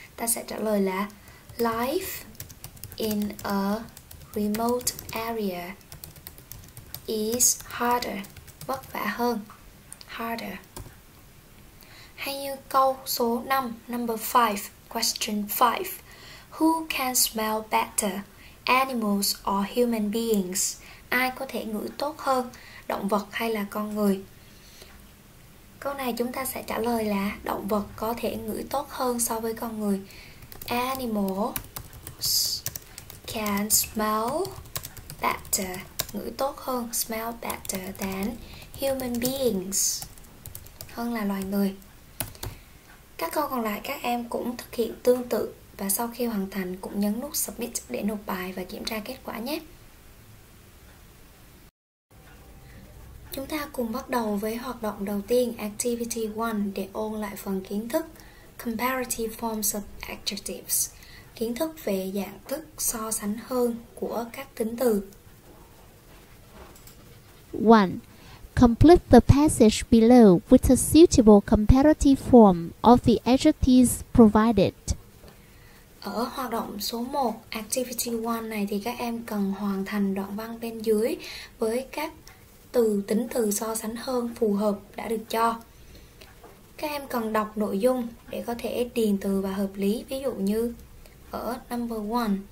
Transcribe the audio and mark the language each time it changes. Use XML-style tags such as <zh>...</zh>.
<vi>Ta sẽ trả lời là</vi> <en>life in a remote area is harder,</en> <vi>vất vả hơn,</vi> <en>harder.</en> <vi>Hay như câu số 5,</vi> <en>number 5, question 5. Who can smell better, animals or human beings?</en> <vi>Ai có thể ngửi tốt hơn, động vật hay là con người? Câu này chúng ta sẽ trả lời là động vật có thể ngửi tốt hơn so với con người.</vi> <en>Animals can smell better,</en> <vi>ngửi tốt hơn,</vi> <en>smell better than human beings,</en> <vi>hơn là loài người. Các câu còn lại các em cũng thực hiện tương tự và sau khi hoàn thành cũng nhấn nút submit để nộp bài và kiểm tra kết quả nhé. Chúng ta cùng bắt đầu với hoạt động đầu tiên, activity 1, để ôn lại phần kiến thức</vi> <en>comparative forms of adjectives,</en> <vi>kiến thức về dạng thức so sánh hơn của các tính từ.</vi> <en>1. Complete the passage below with a suitable comparative form of the adjectives provided.</en> <vi>Ở hoạt động số 1, activity 1 này thì các em cần hoàn thành đoạn văn bên dưới với các từ tính từ so sánh hơn phù hợp đã được cho. Các em cần đọc nội dung để có thể điền từ và hợp lý, ví dụ như ở number 1.</vi>